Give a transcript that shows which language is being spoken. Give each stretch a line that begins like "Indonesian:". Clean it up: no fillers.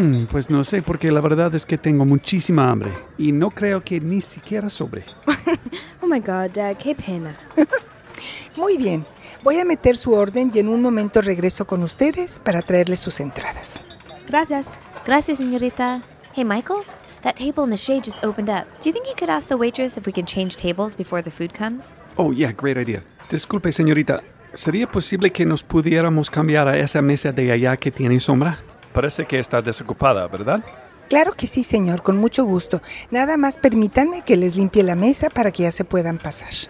Spanish: Pues no sé, porque la verdad es que tengo muchísima hambre y no creo que ni siquiera sobre.
English: Oh my God, Dad,
Spanish: qué pena. Muy bien, voy a meter su orden y en un momento regreso con ustedes para traerles sus entradas. Gracias. Gracias, señorita.
English: Hey, Michael, that table in the shade just opened up. Do you think you could ask the waitress if we can change tables before the food comes? Oh, yeah, great idea.
Spanish: Disculpe, señorita. ¿Sería posible que nos pudiéramos cambiar a esa mesa de allá que tiene sombra? Parece que está desocupada, ¿verdad? Claro que sí, señor, con mucho gusto. Nada más permítanme que les limpie la mesa para que ya se puedan pasar.